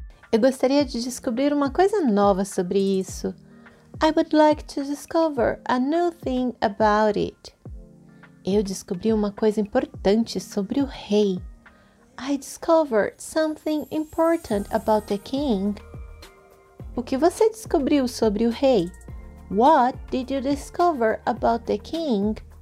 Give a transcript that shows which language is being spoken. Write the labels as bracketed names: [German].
[Portuguese] Eu gostaria de descobrir uma coisa nova sobre isso. [English] I would like to discover a new thing about it. [Portuguese] Eu descobri uma coisa importante sobre o rei. [English] I discovered something important about the king. [Portuguese] O que você descobriu sobre o rei? [English] What did you discover about the king?